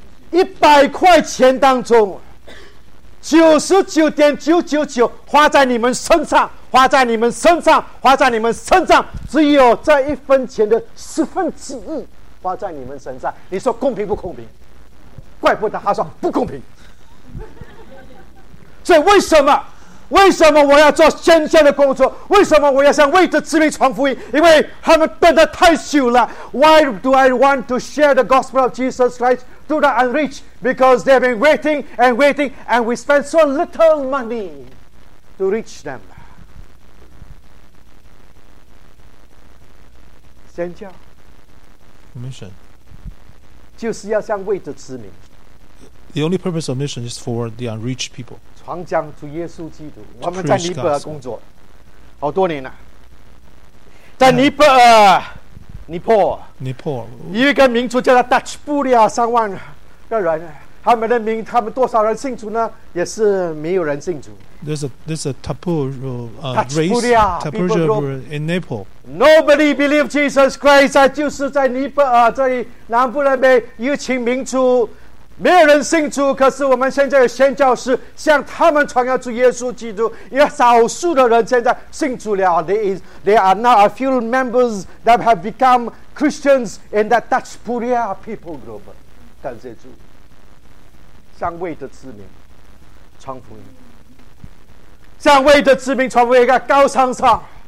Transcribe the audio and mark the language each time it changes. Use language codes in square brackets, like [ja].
[zh] 100块钱当中，99.999花在你们身上，花在你们身上，花在你们身上，只有这一分钱的1/10花在你们身上。你说公平不公平？怪不得他说不公平。所以为什么我要做宣教的工作？为什么我要向未得之民传福音？因为他们等得太久了。 [en] Why do I want to share the gospel of Jesus Christ to the unreached? Because they've been waiting and waiting, and we spend so little money to reach them. [zh] 宣教 [en] mission [zh] 就是要向未得之民。 [en] The only purpose of mission is for the unreached people. [zh] 传讲主耶稣基督。我们在尼泊尔工作好多年了，在尼泊尔，尼泊尔有一个民族叫做 Dutch Buria， 30,000个人。他们的民，他们多少人信主呢？也是没有人信主。 [en] There's a taboo race. Taboo in Nepal. Nobody believes Jesus Christ. [zh] 就是在尼泊尔这里南部那边有一群民族。没有人信主，可是我们现在有宣教士向他们传扬主耶稣基督。有少数的人现在信主了。 [en] There are now a few members that have become Christians in that Dutch Puglia people group. [zh] 感谢主，向未得之民传福音，向未得之民传福音，在高山上。